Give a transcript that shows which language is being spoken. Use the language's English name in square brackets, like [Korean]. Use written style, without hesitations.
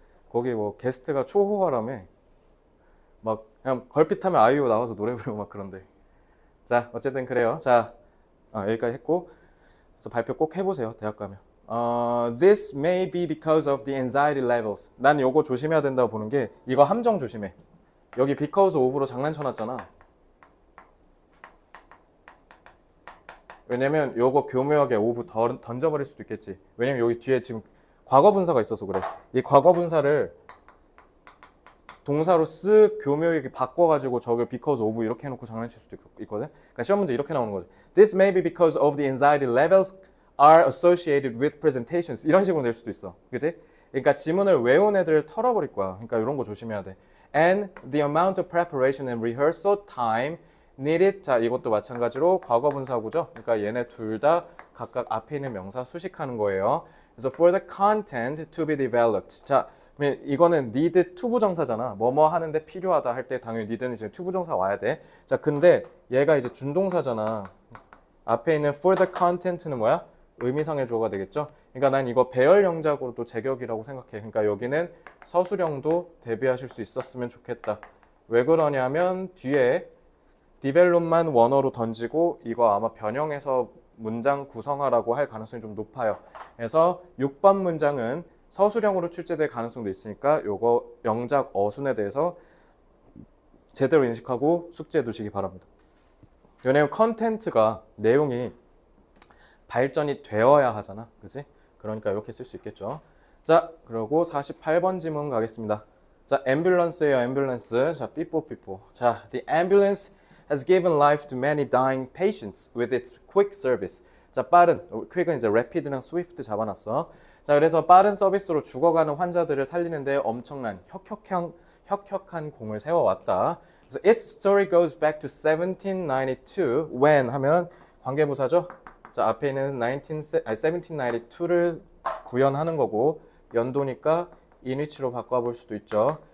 [Korean] 거기 뭐 게스트가 초호화라며 막 그냥 걸핏하면 아이유 나와서 노래 부르고 막 그런데 자 어쨌든 그래요 자 여기까지 했고 그래서 발표 꼭 해보세요 대학 가면 [English] This may be because of the anxiety levels [Korean] 난 요거 조심해야 된다고 보는 게 이거 함정 조심해 여기 because of로 장난쳐 놨잖아 왜냐면 요거 교묘하게 of 던져버릴 수도 있겠지 왜냐면 여기 뒤에 지금 과거 분사가 있어서 그래. 이 과거 분사를 동사로 쓱 교묘하게 바꿔가지고 저걸 because of 이렇게 해놓고 장난칠 수도 있거든. 그러니까 시험 문제 이렇게 나오는 거지. [English] This may be because of the anxiety levels are associated with presentations. [Korean] 이런 식으로 낼 수도 있어. 그지? 그러니까 지문을 외운 애들을 털어버릴 거야. 그러니까 이런 거 조심해야 돼. [English] And the amount of preparation and rehearsal time needed. [Korean] 자, 이것도 마찬가지로 과거 분사구죠. 그러니까 얘네 둘다 각각 앞에 있는 명사 수식하는 거예요. 그래서 [English] so for the content to be developed. [Korean] 자, 이거는 [English] need to [Korean] 부정사잖아. 뭐뭐 하는데 필요하다 할때 당연히 need는 이제 to 부정사 와야 돼. 자, 근데 얘가 이제 준동사잖아. 앞에 있는 for the content는 뭐야? 의미상의 주어가 되겠죠? 그러니까 난 이거 배열 영작으로도 제격이라고 생각해. 그러니까 여기는 서술형도 대비하실 수 있었으면 좋겠다. 왜 그러냐면 뒤에 develop만 원어로 던지고 이거 아마 변형해서 문장 구성하라고 할 가능성이 좀 높아요. 그래서 6번 문장은 서술형으로 출제될 가능성도 있으니까 요거 영작 어순에 대해서 제대로 인식하고 숙지해 두시기 바랍니다. 왜냐면 컨텐츠가 내용이 발전이 되어야 하잖아. 그지? 그러니까 이렇게 쓸수 있겠죠. 자, 그리고 48번 지문 가겠습니다. 자, 앰뷸런스예요, 앰뷸런스. 자, 삐뽀, 삐뽀. [English] 자, The ambulance has given life to many dying patients with its quick service. [Korean] 자, 빠른. quick은 이제 rapid랑 swift 잡아놨어. 자, 그래서 빠른 서비스로 죽어가는 환자들을 살리는데 엄청난 혁혁한 공을 세워왔다. [English] 그래서 its story goes back to 1792 when [Korean] 하면 관계부사죠. 자, 앞에 있는 1792를 구현하는 거고 연도니까 in which로 바꿔볼 수도 있죠.